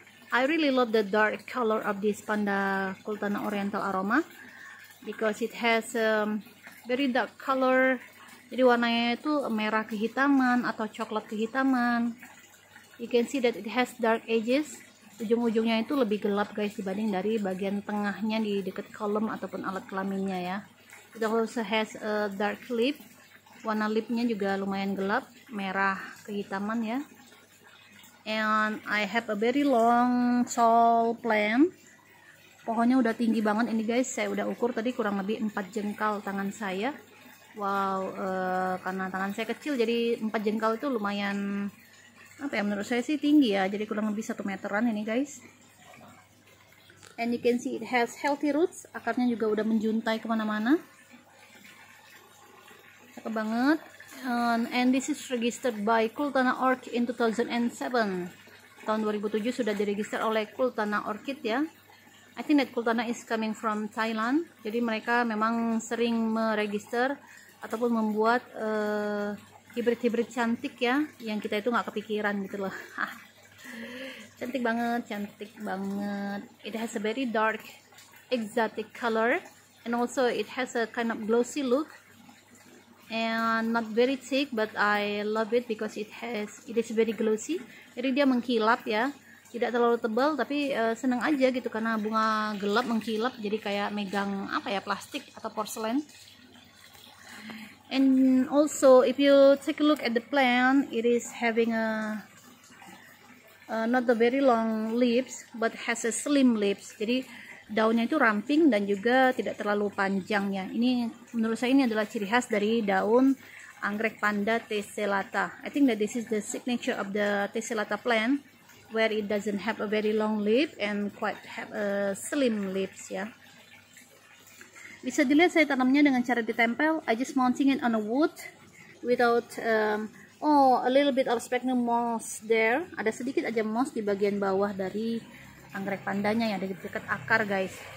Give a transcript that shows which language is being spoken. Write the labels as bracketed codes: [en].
[en] I really love the dark color of this panda Kultana Oriental aroma because it has very dark color. [id] Jadi warnanya itu merah kehitaman atau coklat kehitaman. [en] You can see that it has dark edges. [id] Ujung-ujungnya itu lebih gelap guys dibanding dari bagian tengahnya di dekat kolom ataupun alat kelaminnya ya. [en] It also has a dark lip. [id] Warna lipnya juga lumayan gelap, merah kehitaman ya. [en] And I have a very long tall plant. [id] Pohonnya udah tinggi banget ini guys. Saya udah ukur tadi kurang lebih 4 jengkal tangan saya. Wow, karena tangan saya kecil jadi 4 jengkal itu lumayan, apa ya, menurut saya sih tinggi ya, jadi kurang lebih 1 meteran ini guys. [en] And you can see it has healthy roots. [id] Akarnya juga udah menjuntai kemana-mana. Cakep banget. [en] And this is registered by Kultana Orchid in 2007. [id] Tahun 2007 sudah diregister oleh Kultana Orchid ya. [en] I think that Kultana is coming from Thailand. [id] Jadi mereka memang sering meregister ataupun membuat hibrid-hibrid cantik ya, yang kita itu gak kepikiran gitu loh. Cantik banget, cantik banget. [en] It has a very dark exotic color and also it has a kind of glossy look and not very thick, but I love it because it is very glossy. [id] Jadi dia mengkilap ya, tidak terlalu tebal, tapi seneng aja gitu karena bunga gelap mengkilap, jadi kayak megang apa ya, plastik atau porselen. [en] And also if you take a look at the plant, it is having not a very long leaves but has a slim leaves. [id] Jadi daunnya itu ramping dan juga tidak terlalu panjang ya. Ini menurut saya ini adalah ciri khas dari daun anggrek panda tessellata. [en] I think that this is the signature of the tessellata plant where it doesn't have a very long leaf and quite have a slim leaves ya. [id] Bisa dilihat saya tanamnya dengan cara ditempel. [en] I just mounting it on a wood without a little bit of sphagnum moss there. [id] Ada sedikit aja moss di bagian bawah dari anggrek pandanya ya, dari dekat akar guys.